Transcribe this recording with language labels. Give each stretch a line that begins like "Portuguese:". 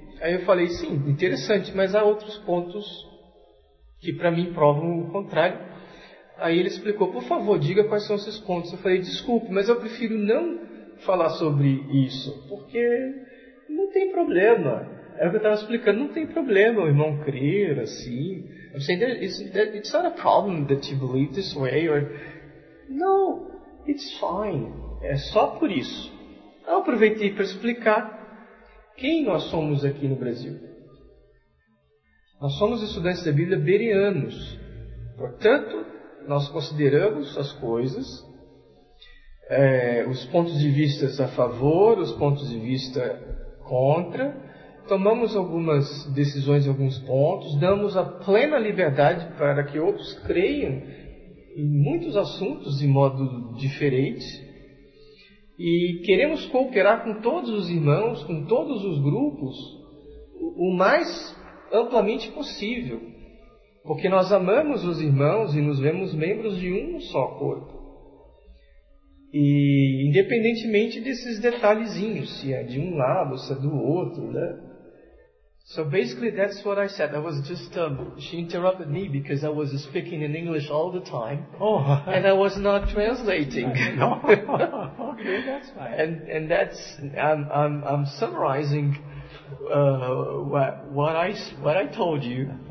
Portuguese: Aí eu falei, sim, interessante, mas há outros pontos que para mim provam o contrário. Aí ele explicou, por favor, diga quais são esses pontos. Eu falei, desculpe, mas eu prefiro não falar sobre isso, porque não tem problema. É o que eu estava explicando, não tem problema o irmão crer assim.
English: I'm saying that it's not a problem that you believe this way or no, it's fine.
Portuguese: É só por isso. Eu aproveitei para explicar quem nós somos aqui no Brasil. Nós somos estudantes da Bíblia bereanos. Portanto, nós consideramos as coisas, os pontos de vista a favor, os pontos de vista contra. Tomamos algumas decisões em alguns pontos, damos a plena liberdade para que outros creiam em muitos assuntos de modo diferente. E queremos cooperar com todos os irmãos, com todos os grupos, o mais amplamente possível. Porque nós amamos os irmãos e nos vemos membros de um só corpo. E independentemente desses detalhezinhos, se é de um lado, se é do outro, né?
English: So basically, that's what I said. I was just she interrupted me because I was speaking in English all the time, and I was not translating. No. Okay, that's fine. And that's I'm summarizing what I told you.